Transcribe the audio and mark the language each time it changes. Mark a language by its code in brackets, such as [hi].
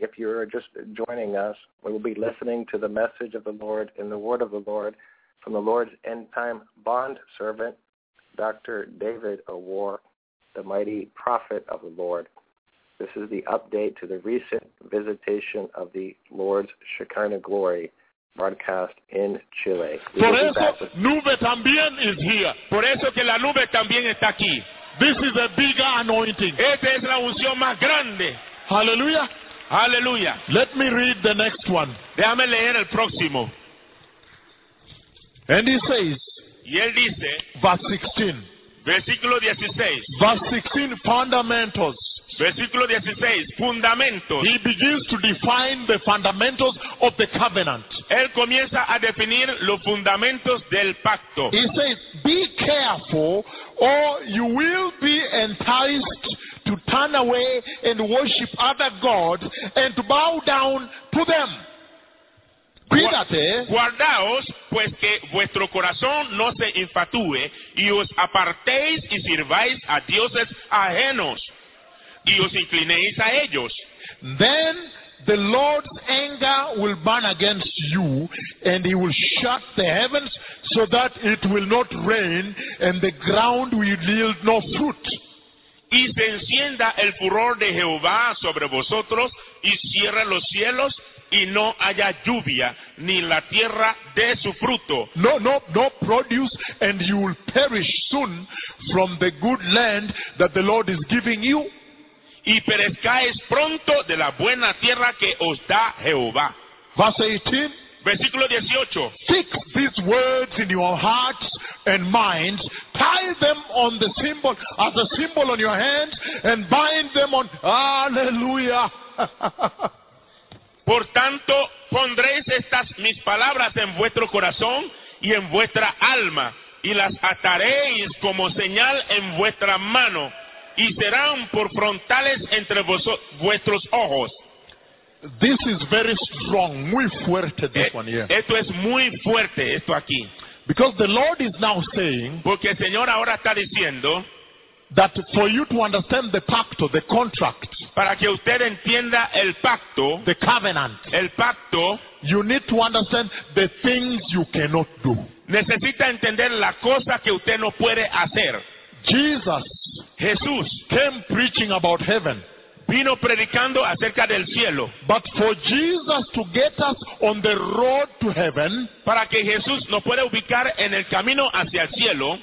[en] If you're just joining us, we will be listening to the message of the Lord and the word of the Lord from the Lord's end time bond servant, Dr. David Awar, the mighty prophet of the Lord. This is the update to the recent visitation of the Lord's Shekinah glory. Broadcast in Chile. [es] Por eso, nube también [en] is here. [es] Por eso que la nube también está aquí. [en] This is a bigger anointing. [es] Esta es la unción más grande. [en] Hallelujah. Hallelujah. Let me read the next one. [es] Déjame leer el próximo. [en] And he says, [es] y él dice, [en] verse 16. [es] Versículo 16. [en] Verse 16, fundamentals. [es] Versículo 16, fundamentos. [en] He begins to define the fundamentals of the covenant. [es] Él comienza a definir los fundamentos del pacto. [en] He says, be careful or you will be enticed to turn away and worship other gods and to bow down to them. [es] Cuídate. Guardaos, pues que vuestro corazón no se infatúe y os apartéis y sirváis a dioses ajenos y os inclinéis a ellos. [en] Then the Lord's anger will burn against you, and he will shut the heavens so that it will not rain, and the ground will yield no fruit. [es] Y se encienda el furor de Jehová sobre vosotros, y cierre los cielos, y no haya lluvia, ni la tierra dé su fruto. [en] No produce, and you will perish soon from the good land that the Lord is giving you. [es] Y perezcáis pronto de la buena tierra que os da Jehová. [en] Verse 18. [es] Versículo 18. [en] Fix these words in your hearts and minds. Tie them on the symbol, as a symbol on your hands, and bind them on. Hallelujah. [es] Por tanto, pondréis estas mis palabras en vuestro corazón y en vuestra alma, y las ataréis como señal en vuestra mano. Y serán por frontales entre vuestros ojos. [en] This is very strong, [es] muy fuerte [en] this one here. [es] Esto es muy fuerte, esto aquí. [en] Because the Lord is now saying, [es] porque el Señor ahora está diciendo, [en] that for you to understand the pacto, the contract, [es] para que usted entienda el pacto, [en] the covenant, [es] el pacto, [en] you need to understand the things you cannot do. [es] Necesita entender la cosa que usted no puede hacer. [en] Jesus came preaching about heaven. [es] Vino predicando acerca del cielo. [en] But for Jesus to get us on the road to heaven, [es] para que Jesús nos pueda ubicar en el camino hacia el cielo,